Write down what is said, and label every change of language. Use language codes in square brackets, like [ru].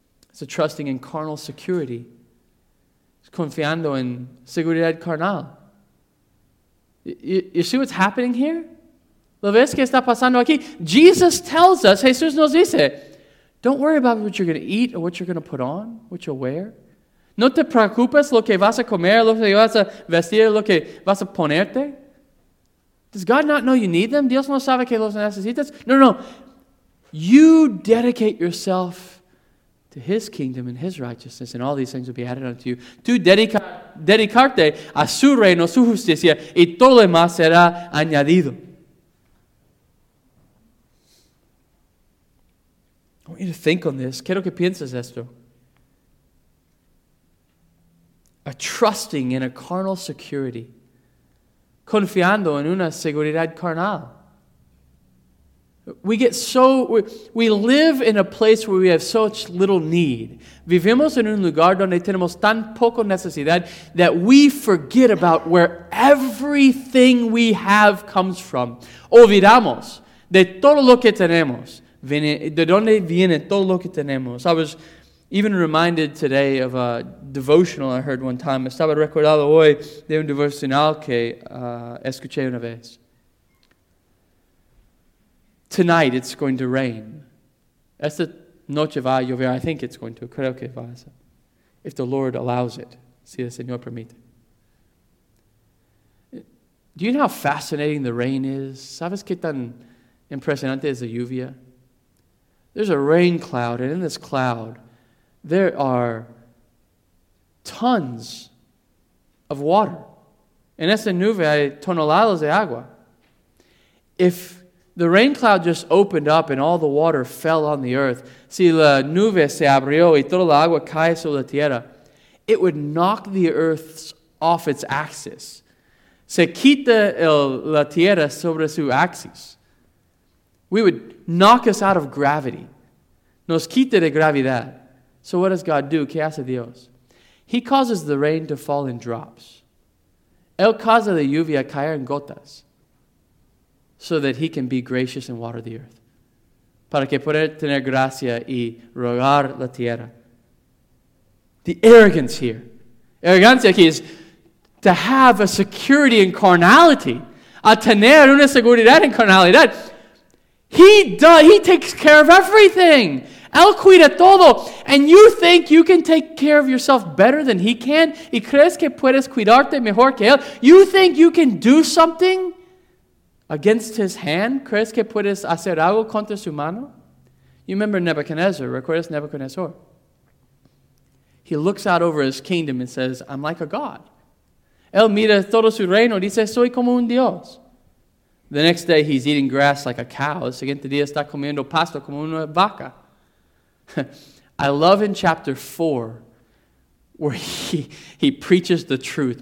[en] It's a trusting in carnal security. [es] Confiando en seguridad carnal. [en] You see what's happening here? [es] ¿Lo ves que está pasando aquí? [en] Jesus tells us, [es] Jesús nos dice, [en] don't worry about what you're going to eat or what you're going to put on, what you'll wear. [es] No te preocupes lo que vas a comer, lo que vas a vestir, lo que vas a ponerte. [en] Does God not know you need them? [es] ¿Dios no sabe que los necesitas? No, no. [en] You dedicate yourself to his kingdom and his righteousness, and all these things will be added unto you. [es] Tú dedicarte a su reino, su justicia, y todo lo demás será añadido. [en] I want you to think on this. [es] Quiero que pienses esto. [en] A trusting in a carnal security. [es] Confiando en una seguridad carnal. [en] We get so, we live in a place where we have such little need. [es] Vivimos en un lugar donde tenemos tan poco necesidad [en] that we forget about where everything we have comes from. [es] Olvidamos de todo lo que tenemos. De donde viene todo lo que tenemos. [en] I was even reminded today of a devotional I heard one time. [es] Estaba recordado hoy de un devocional que escuché una vez. [en] Tonight it's going to rain. [es] Esta noche va a llover. [en] I think it's going to. [es] Creo que va a ser. [en] If the Lord allows it. [es] Si el Señor permite. [en] Do you know how fascinating the rain is? [es] ¿Sabes qué tan impresionante es la lluvia? [en] There's a rain cloud, and in this cloud, there are tons of water. [es] En esta nube hay toneladas de agua. [en] If the rain cloud just opened up and all the water fell on the earth, [es] si la nube se abrió y toda la agua cae sobre la tierra, [en] it would knock the earth off its axis. [es] Se quita la tierra sobre su axis. [en] We would knock us out of gravity. [es] Nos quita de gravedad. [en] So what does God do? [es] ¿Qué hace Dios? [en] He causes the rain to fall in drops. [es] Él causa la lluvia caer en gotas. [en] So that he can be gracious and water the earth. [es] Para que pueda tener gracia y rogar la tierra. [en] The arrogance here. [es] Arrogancia aquí [en] is to have a security in carnality. [es] A tener una seguridad en carnalidad. [en] He takes care of everything. [es] Él cuida todo. [en] And you think you can take care of yourself better than he can? [es] ¿Y crees que puedes cuidarte mejor que él? [en] You think you can do something against his hand? [es] ¿Crees que puedes hacer algo contra su mano? [en] You remember Nebuchadnezzar. [es] ¿Recuerdas Nebuchadnezzar? [en] He looks out over his kingdom and says, I'm like a god. [es] Él mira todo su reino y dice, soy como un dios. [en] The next day, he's eating grass like a cow. [es] El siguiente día, está comiendo pasto como una vaca. [en] I love in chapter 4, where he preaches the truth.